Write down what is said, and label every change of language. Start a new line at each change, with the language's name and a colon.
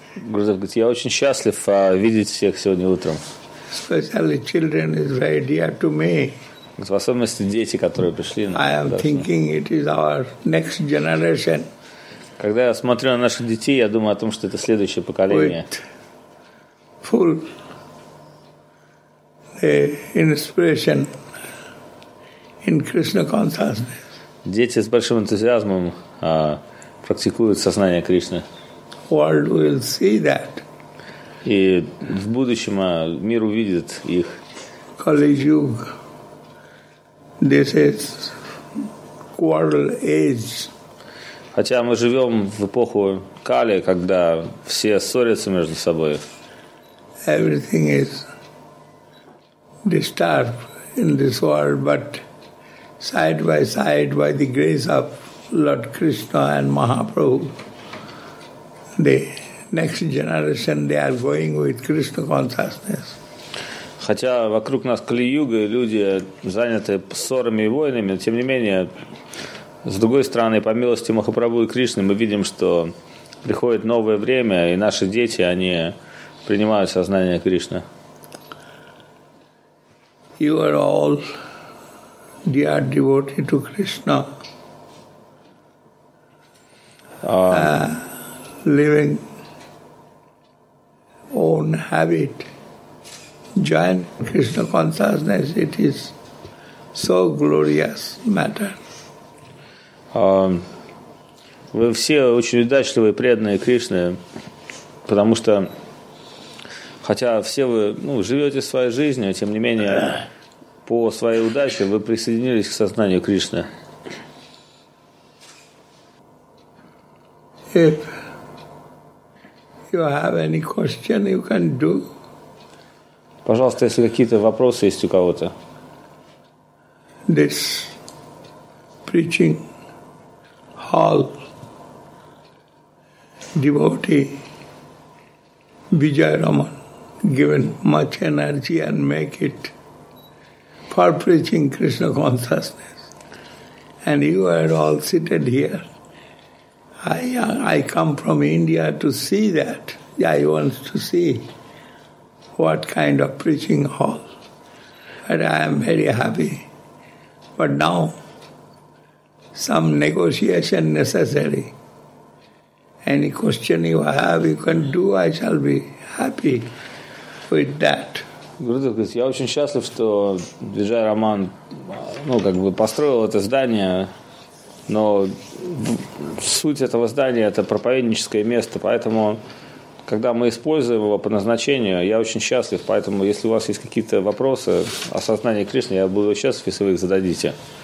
Russian: Гурдев говорит, я очень счастлив видеть всех сегодня утром.
English: Especially children is very dear to me.
Russian: В особенности дети, которые пришли.
English: I am thinking it is our next generation.
Russian: Когда я смотрю на наших детей, я думаю о том, что это следующее поколение.
English: With full inspiration in Krishna consciousness.
Russian: Дети с большим энтузиазмом практикуют сознание Кришны.
English: World will see that.
Russian: И в будущем мир увидит их.
English: Kali-yuga. This is quarrel age.
Russian: Хотя мы живем в эпоху Кали, когда все ссорятся между собой.
English: Everything is disturbed in this world, but side, by the grace of Lord Krishna and Mahaprabhu, the next generation, they are going with Krishna consciousness.
Russian: Хотя вокруг нас Кали-юга, люди заняты ссорами и войнами, но тем не менее, с другой стороны, по милости Махапрабху и Кришны, мы видим, что приходит новое время, и наши дети, они принимают сознание Кришны.
English: You are all dear devotees to Krishna. Living own habit. Join Krishna consciousness, it is so glorious matter.
Russian: Вы все очень удачливые, преданные Кришны, потому что, хотя все вы живете своей жизнью, тем не менее, по своей удаче вы присоединились к сознанию Кришны.
English: If you have any question, you can do.
Russian: Пожалуйста, если какие-то вопросы есть у кого-то.
English: This preaching hall devotee Vijay Raman given much energy and make it for preaching Krishna consciousness. And you are all seated here. I come from India to see that. I want to see what kind of preaching hall. And I am very happy. But now, some negotiation necessary. Any question you have, you can do, I shall be happy with that.
Russian: Гурдев говорит, я очень счастлив, что Виджай Роман построил это здание, но суть этого здания — это проповедническое место, поэтому когда мы используем его по назначению, я очень счастлив. Поэтому, если у вас есть какие-то вопросы о сознании Кришны, я буду счастлив, если вы их зададите.